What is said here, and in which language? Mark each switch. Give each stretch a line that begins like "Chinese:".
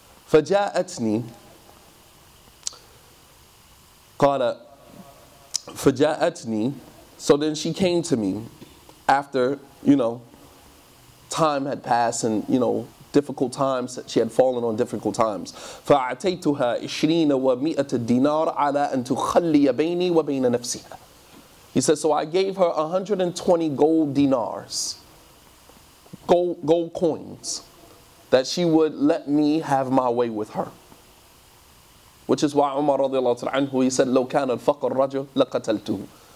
Arabic: فجاءتني قال فجاءتني.
English: So then she came to me after, you know, time had passed and, you know, difficult times, she had fallen on difficult times.
Arabic: فأعطيتها 20 ومئة دينار على أن تخلي بيني وبين نفسها.
English: He said, so I gave her 120 gold dinars, gold coins, that she would let me have my way with her. Which is why Umar radiallahu ta'ala anhu, he said,
Arabic: لو كان الفقر رجل لقتلته.